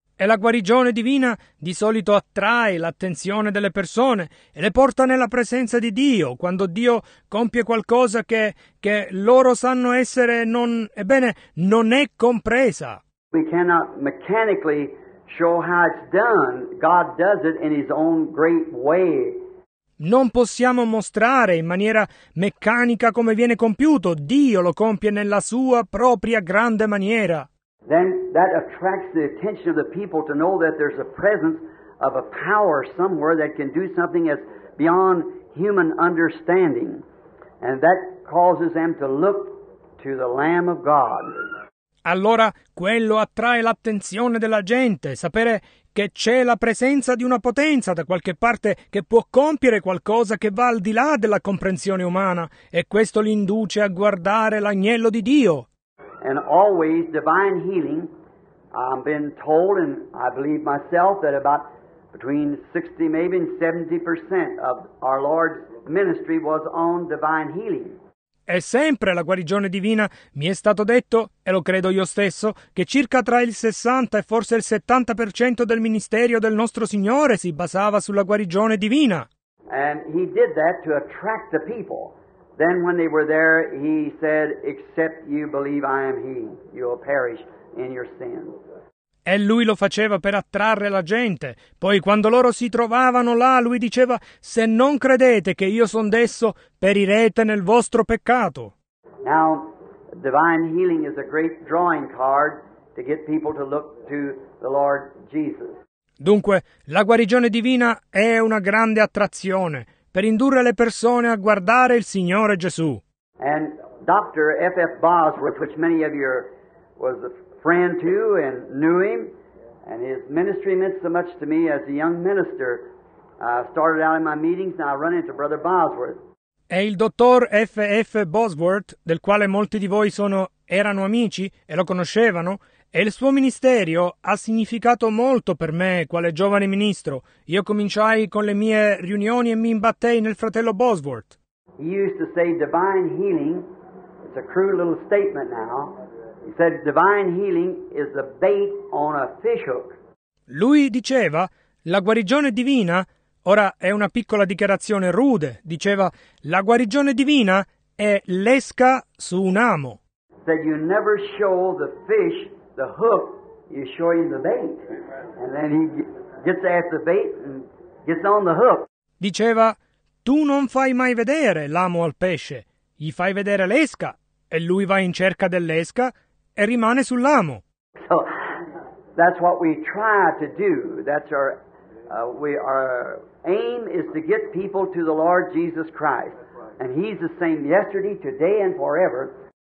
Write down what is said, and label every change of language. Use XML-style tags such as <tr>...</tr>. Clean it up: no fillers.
<it>E la guarigione divina di solito attrae l'attenzione delle persone e le porta nella presenza di Dio, quando Dio compie qualcosa che loro sanno essere non è compresa.</it> <en>We cannot mechanically show how it's done. God does it in His own great way.</en> <it>Non possiamo mostrare in maniera meccanica come viene compiuto. Dio lo compie nella sua propria grande maniera.</it> <en>Then that attracts the attention of the people to know that there's a presence of a power somewhere that can do something that's beyond human understanding. And that causes them to look to the Lamb of God.</en> <it>Allora, quello attrae l'attenzione della gente, sapere che c'è la presenza di una potenza da qualche parte che può compiere qualcosa che va al di là della comprensione umana, e questo li induce a guardare l'agnello di Dio.</it> <en>And always divine healing, I've been told, and I believe myself, that about between 60, maybe 70% of our Lord's ministry was on divine healing.</en> <it>E sempre la guarigione divina mi è stato detto, e lo credo io stesso, che circa tra il 60 e forse il 70% del ministerio del nostro Signore si basava sulla guarigione divina.</it> <en>And He did that to attract the people. Then when they were there, He said, except you believe I am He, you will perish in your sins.</en> <it>E Lui lo faceva per attrarre la gente. Poi quando loro si trovavano là, Lui diceva, se non credete che io son desso, perirete nel vostro peccato.</it> <en>Now, divine healing is a great drawing card to get people to look to the Lord Jesus.</en> <it>Dunque, la guarigione divina è una grande attrazione per indurre le persone a guardare il Signore Gesù.</it> <en>And Dr. F.F. Bosworth, which many of you was a friend to and knew him, and his ministry meant so much to me as a young minister. I started out in my meetings and I run into Brother Bosworth.</en> <it>È il dottor F.F. Bosworth, del quale molti di voi erano amici e lo conoscevano, e il suo ministerio ha significato molto per me quale giovane ministro. Io cominciai con le mie riunioni e mi imbattei nel fratello Bosworth.</it> <en>He used to say divine healing, it's a crude little statement now, he said divine healing is a bait on a fish hook.</en> <it>Lui diceva, la guarigione divina, ora è una piccola dichiarazione rude, diceva, la guarigione divina è l'esca su un amo.</it> <en>Said you never show the fish the hook, you show him the bait. And then he gets at the bait and gets on the hook.</en> <it>Diceva, tu non fai mai vedere l'amo al pesce, gli fai vedere l'esca, e lui va in cerca dell'esca e rimane sull'amo.</it> <en>So, that's what we try to do. That's our, our aim is to get people to the Lord Jesus Christ. And he's the same yesterday, today and forever.</en>